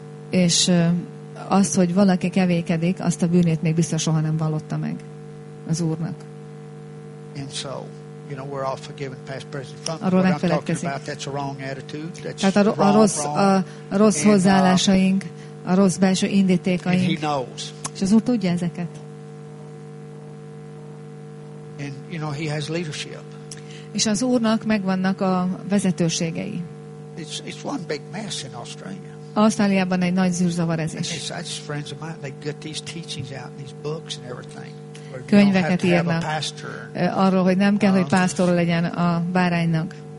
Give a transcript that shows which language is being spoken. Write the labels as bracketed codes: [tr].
[hu] És azt, hogy valaki kevékedik, azt a bűnét még biztos soha nem vallotta meg az Úrnak. [en] You know, we're all forgiven, past, present, from. [hu] Arról megfeledkezik. [en] That's a wrong attitude. That's [hu] tehát a rossz hozzáállásaink, a rossz belső indítékaink. [en] And he knows. [hu] És az Úr tudja ezeket. [en] And, you know, he has leadership. [hu] És az Úrnak megvannak a vezetőségei. [en] It's one big mess in Australia. [hu] Ausztráliában egy nagy zűrzavar ez is. [en] And it's friends of mine. They get these teachings out in these books and everything. [hu] könyveket írnak arról, hogy nem kell, hogy pásztor legyen a báránynak.